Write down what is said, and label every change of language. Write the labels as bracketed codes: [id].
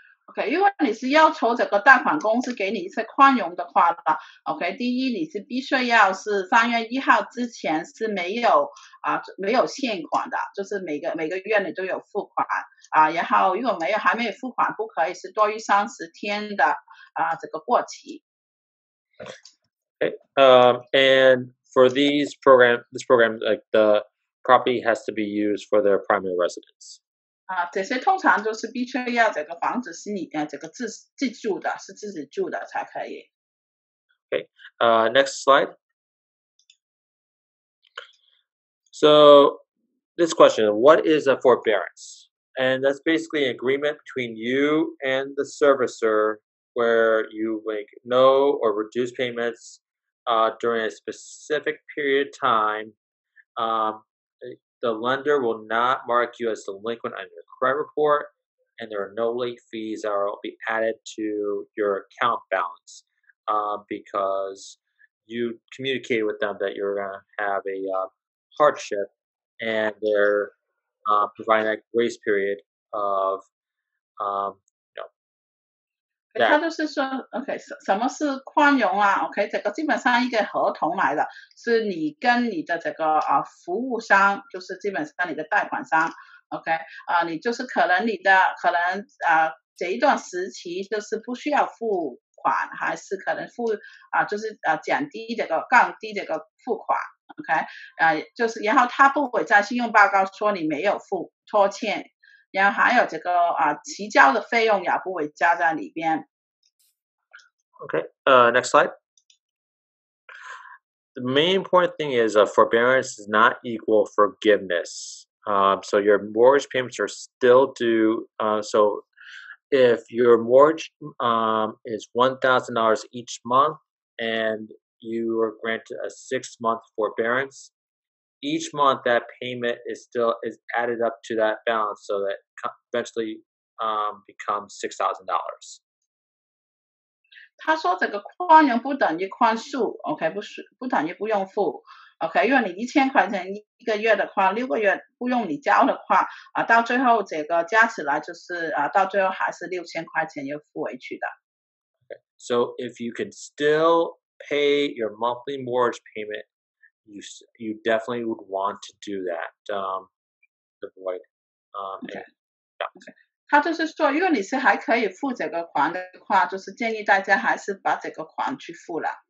[zh] OK， 因为你是要求这个贷款公司给你一些宽容的话呢 ，OK， 第一你是必须要是3月1号之前是没有欠款的，就是每个月你都有付款然后如果还没有付款，不可以是多于30天的这个过期。 [en] Okay. And for this program, like the property has to be used for their primary residence. [zh] 这些通常就是必须要这个房子是你这个自住的，是自己住的才可以。 [en] Okay, next slide. So this question, what is a forbearance? And that's basically an agreement between you and the servicer where you make no or reduce payments during a specific period of time, the lender will not mark you as delinquent on your credit report, and there are no late fees that will be added to your account balance because you communicated with them that you're going to have a hardship, and they're providing that grace period of, Yeah. [zh] 他就是说 ，OK， 什么是宽容啊 ？OK， 这个基本上一个合同来的，是你跟你的这个服务商，就是基本上你的贷款商 ，OK， 你就是可能你的可能这一段时期就是不需要付款，还是可能付就是降低这个降低这个付款 ，OK， 就是然后他不会在信用报告说你没有付拖欠。然后还有这个提交的费用也不会加在里边。 [en] OK, next slide. The main important thing is forbearance is not equal forgiveness. So your mortgage payments are still due. So if your mortgage is $1,000 each month and you are granted a 6-month forbearance,each month that payment is added up to that balance so that eventually becomes $6,000. [zh] 他说这个宽容不等于宽恕 ,OK, 不等于不用付 ,OK, 因为你1000块钱一个月的话六个月不用你交的话到最后这个加起来就是到最后还是6000块钱又付回去的。 [en] Okay. So if you can still pay your monthly mortgage payment,You definitely would want to do that. [zh] Okay. 他就是说，如果你是还可以付这个款的话，就是建议大家还是把这个款去付了。